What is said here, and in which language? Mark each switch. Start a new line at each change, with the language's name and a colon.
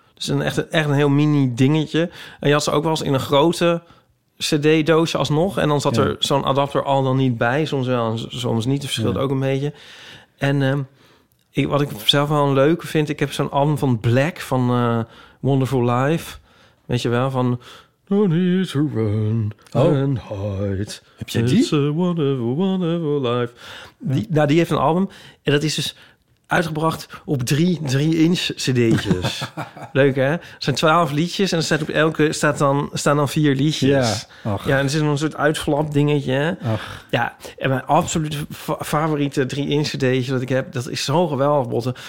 Dutch: Dus echt een heel mini dingetje. En je had ze ook wel eens in een grote cd-doosje alsnog. En dan zat er zo'n adapter al dan niet bij. Soms wel, soms niet. Het verschilt ook een beetje. En wat ik zelf wel een leuke vind, ik heb zo'n album van Black van Wonderful Life. Weet je wel, van No Need to Run and Hide. Heb jij die?
English: It's a wonderful, wonderful life.
Dutch: Die heeft een album en dat is dus uitgebracht op 3-inch cd'tjes. Leuk, hè? Er zijn 12 liedjes en er staat op elke staan dan 4 liedjes. Ja. Ja, en er zit een soort uitflap dingetje. Ach. Ja, en mijn absolute favoriete 3-inch cd'tje dat ik heb, dat is zo geweldig, Botte.